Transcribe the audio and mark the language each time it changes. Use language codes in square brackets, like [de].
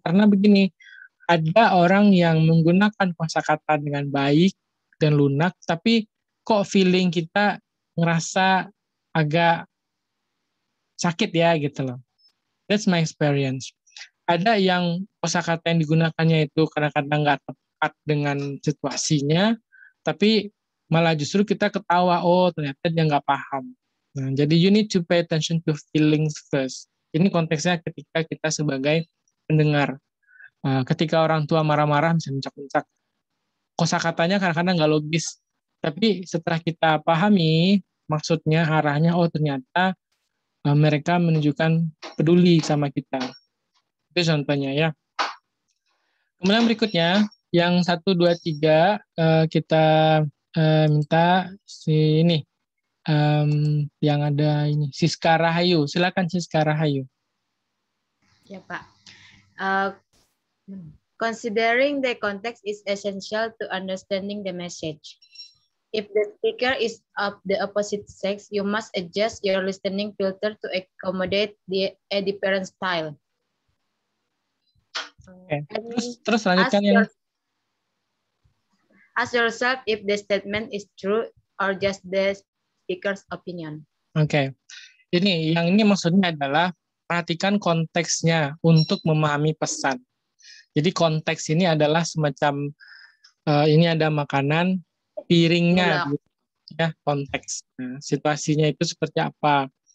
[id] Karena begini, ada orang yang menggunakan kosakata dengan baik dan lunak, tapi kok [en] feeling [id] kita ngerasa agak sakit ya gitu loh. [en] That's my experience. [id] Ada yang kosakata yang digunakannya itu kadang-kadang nggak tepat dengan situasinya, tapi malah justru kita ketawa, oh ternyata dia nggak paham. Nah, jadi [en] you need to pay attention to feelings first. [id] Ini konteksnya ketika kita sebagai pendengar. Ketika orang tua marah-marah, misalnya mencak-mencak, kosa katanya kadang-kadang nggak logis. Tapi setelah kita pahami, maksudnya, arahnya, oh ternyata mereka menunjukkan peduli sama kita. Itu contohnya ya. Kemudian berikutnya, yang 1, 2, 3, kita minta si ini. Yang ada ini, Siska Rahayu. Silakan Siska Rahayu. Ya Pak. [en] Considering the context is essential to understanding the message. If the speaker is of the opposite sex, you must adjust your listening filter to accommodate the a different style. [id] Okay. Terus lanjutkan yang. [en] Ask yourself if the statement is true or just the speaker's opinion. Okay. [id] Ini yang ini maksudnya adalah perhatikan konteksnya untuk memahami pesan. Jadi konteks ini adalah semacam ini ada makanan piringnya, ya konteks situasinya itu seperti apa.